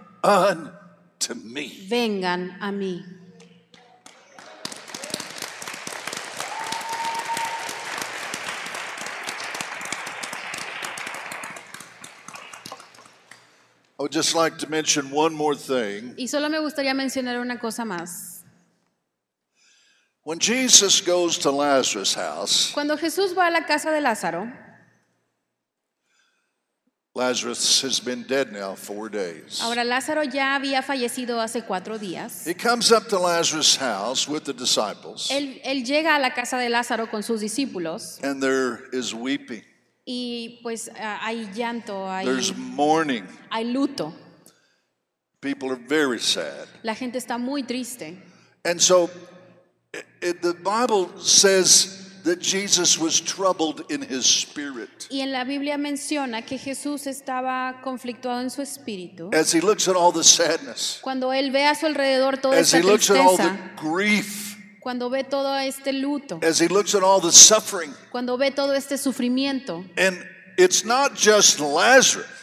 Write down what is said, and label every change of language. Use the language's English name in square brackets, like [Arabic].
[English] Come unto me. [Spanish] Vengan a mí. [English] I would just like to mention one more thing. [Spanish] Y solo me gustaría mencionar una cosa más. [English] When Jesus goes to Lazarus' house, [Spanish] cuando Jesús va a la casa de Lázaro, [English] Lazarus has been dead now 4 days. [Spanish] Ahora Lázaro ya había fallecido hace 4 días. [English] He comes up to Lazarus' house with the disciples. [Spanish] Él llega a la casa de Lázaro con sus discípulos. [English] And there is weeping. [Spanish] Y pues hay llanto, hay, [English] there's mourning. [Spanish] Hay luto. [English] People are very sad. [Spanish] La gente está muy triste. [English] And so the Bible says that Jesus was troubled in his spirit. [Spanish] Y en la Biblia menciona que Jesús estaba conflictuado en su espíritu. [English] As he looks at all the sadness. [Spanish] Cuando él ve a su alrededor toda esta tristeza. [English] As he looks at all the grief. [Spanish] Cuando ve todo este luto. [English] As he looks at all the suffering. [Spanish] Cuando ve todo este sufrimiento. [English] And it's not just Lazarus.